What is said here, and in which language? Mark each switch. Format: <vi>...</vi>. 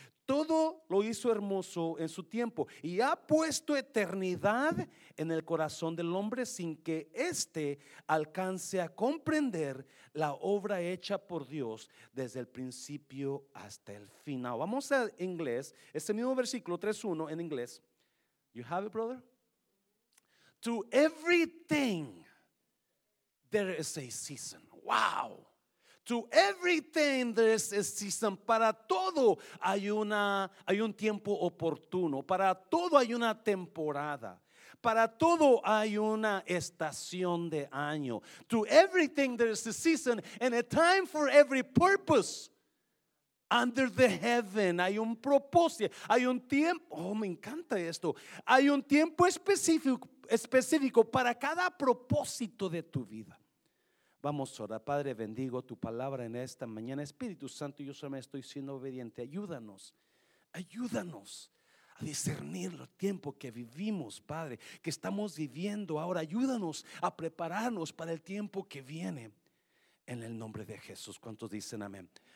<es>Todo lo hizo hermoso en su tiempo y ha puesto eternidad en el corazón del hombre sin que éste alcance a comprender la obra hecha por Dios desde el principio hasta el final. Vamos a inglés, este mismo versículo 3:1 en inglés.</es> <en>You have it, brother? To everything there is a season. Wow. To everything there is a season.</en> <es>Para todo hay un tiempo oportuno. Para todo hay una temporada. Para todo hay una estación de año.</es> <en>To everything there is a season and a time for every purpose. Under the heaven,</en> <es>hay un propósito, hay un tiempo, oh me encanta esto, hay un tiempo específico para cada propósito de tu vida. Vamos ahora, Padre, bendigo tu palabra en esta mañana. Espíritu Santo, yo solo me estoy siendo obediente, ayúdanos a discernir el tiempo que vivimos, Padre, que estamos viviendo ahora, ayúdanos a prepararnos para el tiempo que viene, en el nombre de Jesús. ¿Cuántos dicen amén?</es>